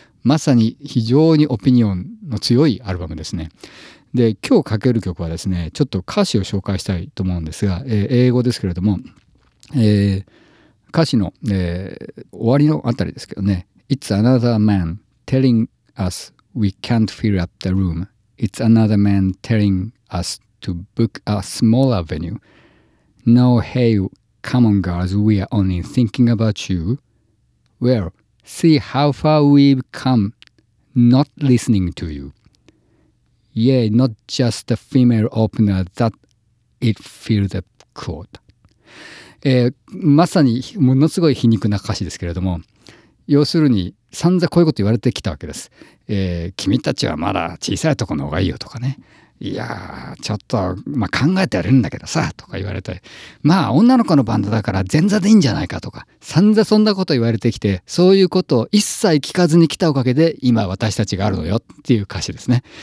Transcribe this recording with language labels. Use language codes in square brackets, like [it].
[ja] まさに非常にオピニオンの強いアルバムですね。で、今日かける曲はですね、ちょっと歌詞を紹介したいと思うんですが、英語ですけれども、歌詞の、終わりのあたりですけどね、 [en] It's another man telling us we can't fill up the room. It's another man telling us to book a smaller venue. No, hey, come on girls, we are only thinking about you. Well, see how far we've come not listening to you. Yeah, not just a female opener that it filled the quota、 [ja] まさにものすごい皮肉な歌詞ですけれども、要するに散々こういうこと言われてきたわけです。君たちはまだ小さいとこの方がいいよとかね、いやちょっと、まあ、考えてやるんだけどさとか言われて、まあ女の子のバンドだから前座でいいんじゃないかとか散々そんなこと言われてきて、そういうことを一切聞かずに来たおかげで今私たちがあるのよっていう歌詞ですね。